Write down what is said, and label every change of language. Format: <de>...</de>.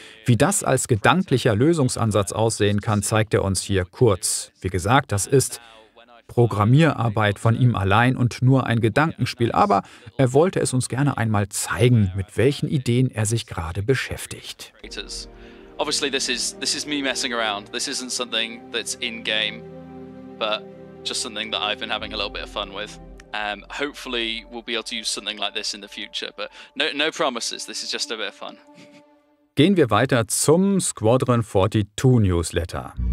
<de>Wie das als gedanklicher Lösungsansatz aussehen kann, zeigt er uns hier kurz. Wie gesagt, das ist Programmierarbeit von ihm allein und nur ein Gedankenspiel, aber er wollte es uns gerne einmal zeigen, mit welchen Ideen er sich gerade beschäftigt.</de> <en>Obviously, this is me messing around. This isn't something that's in game, but just something that I've been having a little bit of fun with. Hopefully, we'll be able to use something like this in the future. But no promises. This is just a bit of fun.</en> <de>Gehen wir weiter zum Squadron 42 Newsletter.</de>